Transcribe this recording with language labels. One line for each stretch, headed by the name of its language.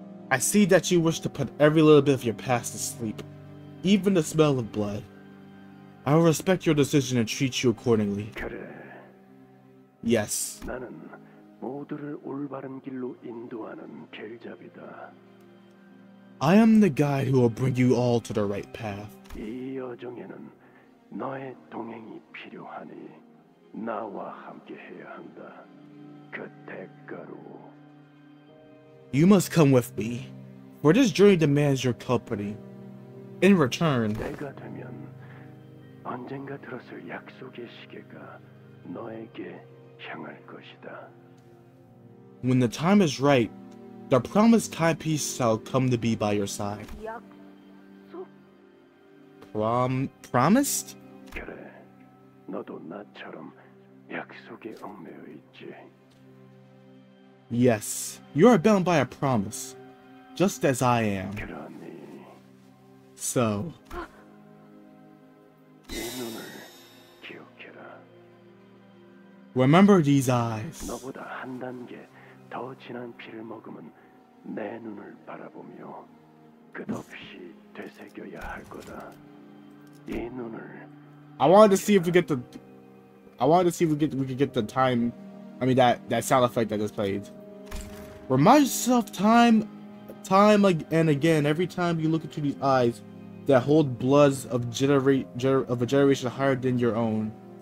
English: I see that you wish to put every little bit of your past to sleep, even the smell of blood. I will respect your decision and treat you accordingly.
Korean: 그래.
English: Yes.
Korean: 나는 모두를 올바른 길로 인도하는 길잡이다.
English: I am the guide who will bring you all to the right path.
Korean: 이 여정에는 너의 동행이 필요하니 나와 함께해야 한다. 그 대가로.
English: You must come with me, for this journey demands your company. In return,
Korean: 때가 되면 언젠가 들었을 약속의 시계가 너에게 향할 것이다.
English: When the time is right, the promised timepiece shall come to be by your side.
Korean: 약속?
English: Promised?
Korean: 그래, 너도 나처럼 약속에 얽매여 있지.
English: Yes, you are bound by a promise, just as I am.
Korean: 그러니.
English: So.
Korean: 이 눈을 기억해라.
English: Remember these eyes.
Korean: 너보다 한 단계 더 진한 피를 머금은 내 눈을 바라보며 끝없이 되새겨야 할 거다. 이 눈을.
English: I wanted to see if we could get the time. I mean that sound effect that just played. Remind yourself time and again, every time you look into these eyes that hold bloods of a generation higher than your own.